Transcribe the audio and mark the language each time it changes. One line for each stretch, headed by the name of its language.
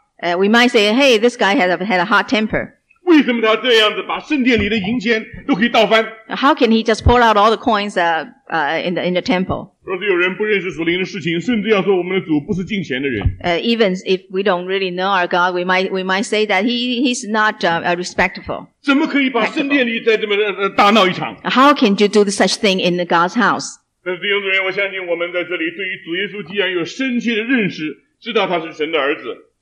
English: We might say, hey, this guy had a hot temper.
Chinese: 为什么他这样子把圣殿里的银钱都可以倒翻?
English: How can he just pour out all the coins in the temple?
Chinese: 若是有人不认识属灵的事情，甚至要说我们的主不是敬虔的人。
English: Even if we don't really know our God, we might say that he's not respectful.
Chinese: 怎么可以把圣殿里再这么大闹一场?
English: How can you do such thing in God's house?
Chinese: 但是弟兄姊妹，我相信我们在这里对于主耶稣既然有深切的认识，知道他是神的儿子。